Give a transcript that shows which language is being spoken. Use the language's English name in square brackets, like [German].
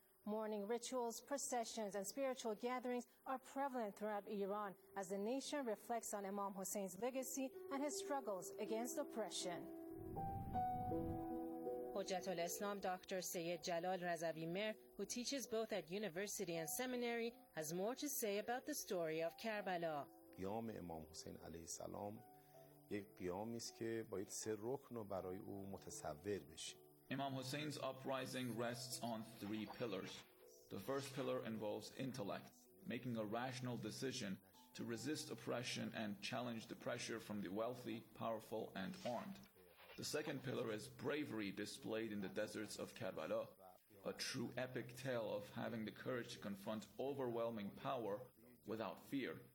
[English] Mourning rituals, processions, and spiritual gatherings are prevalent throughout Iran as the nation reflects on Imam Hussein's legacy and his struggles against oppression. Hujjat al-Islam Dr. Sayyid Jalal Razavi Mir, who teaches both at university and seminary, has more to say about the story of Karbala. [Persian] قیام امام حسین علیه السلام یک قیامی است که باید سه رکن برای او متصور بشه. [English] Imam Hussein's uprising rests on three pillars. The first pillar involves intellect, making a rational decision to resist oppression and challenge the pressure from the wealthy, powerful, and armed. The second pillar is bravery displayed in the deserts of Karbala, a true epic tale of having the courage to confront overwhelming power without fear.